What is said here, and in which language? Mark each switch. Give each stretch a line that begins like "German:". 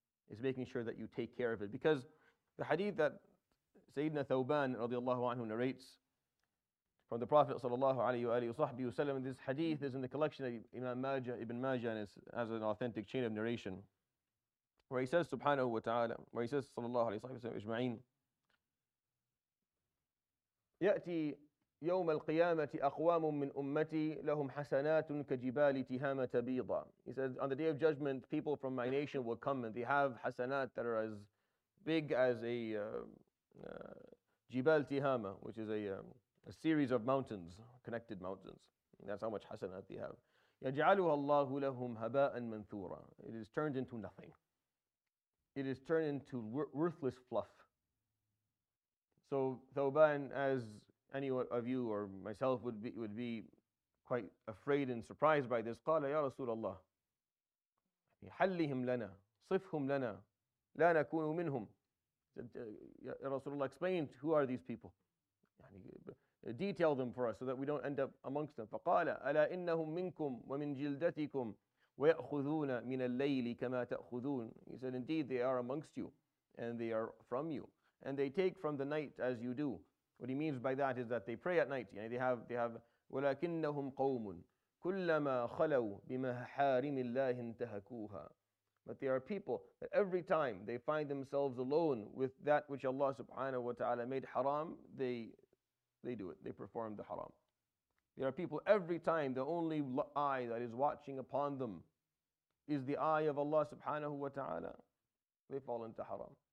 English: It's making sure that you take care of it. Because the hadith that Sayyidina Thawban radiallahu anhu narrates from the Prophet sallallahu alayhi wa sahbihi wa sallam, this hadith is in the collection of Imam Majah, Ibn Majah, and it has an authentic chain of narration, where he says, subhanahu wa ta'ala, where he says, sallallahu alayhi wa sallam, ajma'in,
Arabic: يأتي يوم القيامة أقوام من أمتي لهم حسنات كجبال تهامة بيضة.
English: He says, on the day of judgment, people from my nation will come and they have حسنات that are as big as a جبال تهامة, which is a series of mountains, connected mountains. And that's how much حسنات they have.
Arabic: يجعلها الله لهم هباء منثورا.
English: It is turned into nothing. It is turned into worthless fluff. So Thawban, as any of you or myself would be quite afraid and surprised by this,
Arabic: قال يا رسول الله حلهم لنا صفهم لنا لا نكون منهم. يا رسول الله,
English: explain who are these people.
Arabic: يعني,
English: detail them for us so that we don't end up amongst them.
Arabic: فقال ألا إنهم منكم ومن جلدتكم ويأخذون من الليل كما تأخذون.
English: He said, indeed they are amongst you and they are from you. And they take from the night as you do. What he means by that is that they pray at night. You know, they have.
Arabic: ولكنهم قوم كلما خلو بمحارم الله انتهكوها.
English: But they are people that every time they find themselves alone with that which Allah subhanahu wa ta'ala made haram, they do it. They perform the haram. They are people every time the only eye that is watching upon them is the eye of Allah subhanahu wa ta'ala, they fall into haram.